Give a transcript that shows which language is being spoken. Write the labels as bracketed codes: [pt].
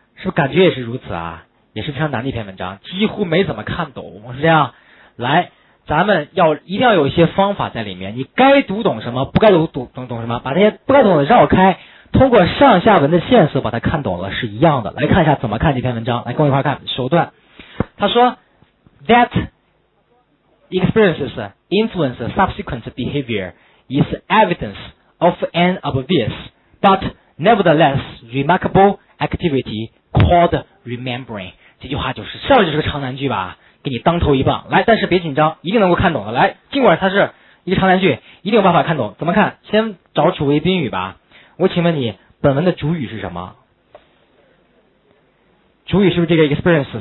[zh] 是不是感觉也是如此啊？也是非常难的一篇文章，几乎没怎么看懂，是这样。来，咱们要一定要有一些方法在里面，你该读懂什么不该懂什么，把这些不该懂的绕开，通过上下文的线索把它看懂了是一样的。来看一下怎么看这篇文章，来跟我一块看。首段他说 [en] That experiences influence subsequent behavior is evidence of an obvious but nevertheless remarkable activity called remembering。 [zh] 这句话就是上来就是个长难句吧，给你当头一棒，来，但是别紧张，一定能够看懂的。来，尽管它是一个长难句，一定有办法看懂。怎么看？先找主谓宾语吧。我请问你，本文的主语是什么？主语是不是这个 experiences？